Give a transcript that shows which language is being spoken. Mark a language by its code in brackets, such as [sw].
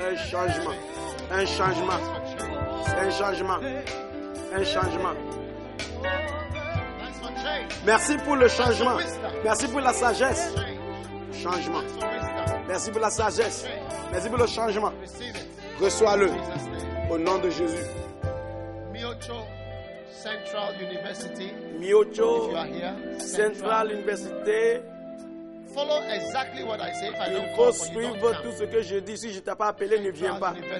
[fr] Changement. un changement, un changement, un changement. Merci pour le changement. Merci pour la sagesse. Changement. Merci pour la sagesse. Merci pour le changement. Reçois-le. Au nom de Jésus. [en] Miocho Central University. Miocho Central University. Follow exactly what I say. [fr] Il faut suivre tout ce que je dis. Si je ne t'ai pas appelé, ne viens pas.